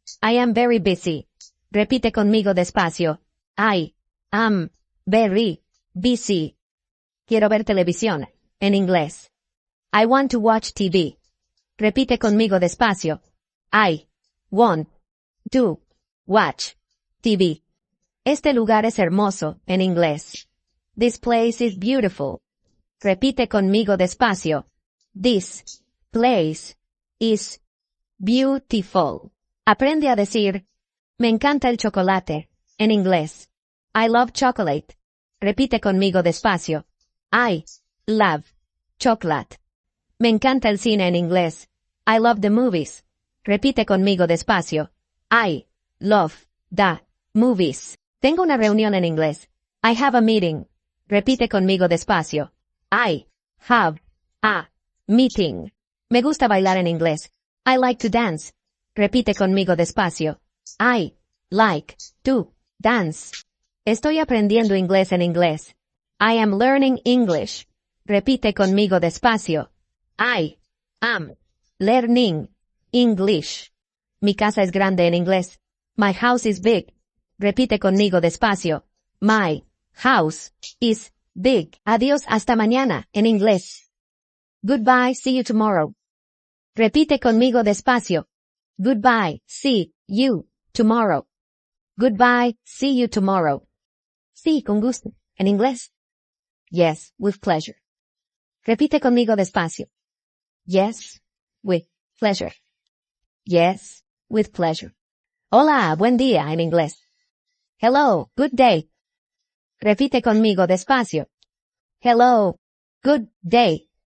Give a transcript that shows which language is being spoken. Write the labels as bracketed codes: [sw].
[en] I am very busy. [es] Repite conmigo despacio. [en] I am very busy. [es] Quiero ver televisión, en inglés. [en] I want to watch TV. [es] Repite conmigo despacio. [en] I want to watch TV. [es] Este lugar es hermoso, en inglés. [en] This place is beautiful. [es] Repite conmigo despacio. [en] This place is beautiful. [es] Aprende a decir, me encanta el chocolate, en inglés. [en] I love chocolate. [es] Repite conmigo despacio. [en] I love chocolate. [es] Me encanta el cine en inglés. [en] I love the movies. [es] Repite conmigo despacio. [en] I love the movies. [es] Tengo una reunión en inglés. [en] I have a meeting. [es] Repite conmigo despacio. [en] I have a meeting. [es] Me gusta bailar en inglés. [en] I like to dance. [es] Repite conmigo despacio. [en] I like to dance. [es] Estoy aprendiendo inglés en inglés. [en] I am learning English. [es] Repite conmigo despacio. [en] I am learning English. [es] Mi casa es grande en inglés. [en] My house is big. [es] Repite conmigo despacio. [en] My house is big. [es] Adiós hasta mañana en inglés. [en] Goodbye, see you tomorrow. [es] Repite conmigo despacio. [en] Goodbye, see you tomorrow. Goodbye, see you tomorrow. [es] Sí, con gusto. En inglés. [en] Yes, with pleasure. [es] Repite conmigo despacio. [en] Yes, with pleasure. Yes, with pleasure. [es] Hola, buen día, en inglés. [en] Hello, good day. [es] Repite conmigo despacio. [en] Hello, good day.